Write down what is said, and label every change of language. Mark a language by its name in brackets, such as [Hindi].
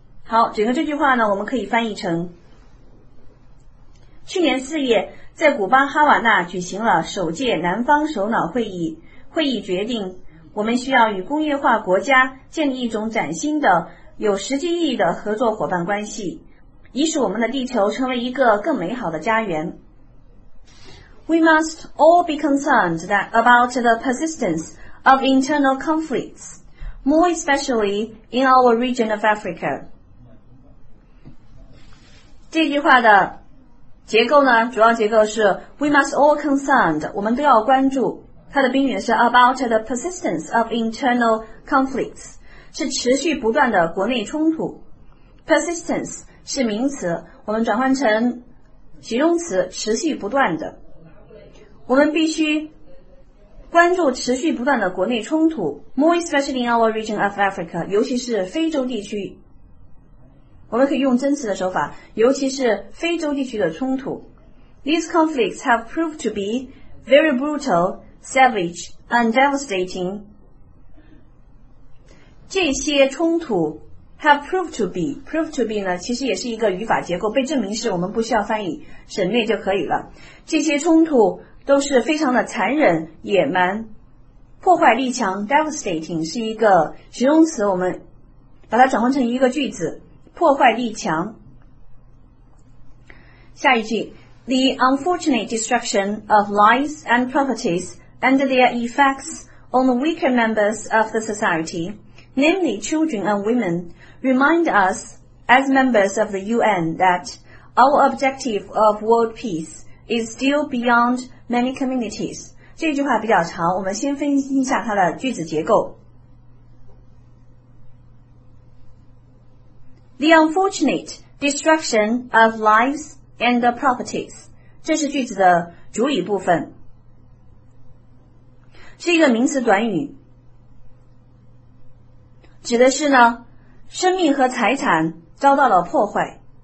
[Chinese] 好，整个这句话呢，我们可以翻译成去年四月在古巴哈瓦那举行了首届南方首脑会议，会议决定我们需要与工业化国家建立一种崭新的有实际意义的合作伙伴关系，以使我们的地球成为一个更美好的家园。 [English] We must all be concerned about the persistence of internal conflicts, more especially in our region of Africa. [Chinese] 这句话的结构呢，主要结构是 [English] We must all concerned, [Chinese] 我们都要关注。它的宾语是 [English] about the persistence of internal conflicts, [Chinese] 是持续不断的国内冲突。 Persistence 是名词，我们转换成形容词，持续不断的。我们必须关注持续不断的国内冲突 , [English] more especially in our region of Africa, [Chinese] 尤其是非洲地区。我们可以用真词的手法，尤其是非洲地区的冲突。 [English] These conflicts have proved to be very brutal, savage, and devastating. [Chinese] 这些冲突 [English] have proved to be, proved to be [Chinese] 呢，其实也是一个语法结构，被证明是，我们不需要翻译，省略就可以了。这些冲突都是非常的残忍、野蛮、破坏力强 devastating 是一个形容词，我们把它转换成一个句子，破坏力强。 [English] 下一句 The unfortunate destruction of lives and properties and their effects on the weaker members of the society, namely children and women, remind us as members of the UN that our objective of world peace is still beyondmany communities. [Chinese] 这句话比较长，我们先分析一下它的句子结构。 [English] The unfortunate destruction of lives and properties. [Chinese] 这是句子的主语部分，是一个名词短语，指的是呢，生命和财产遭到了破坏。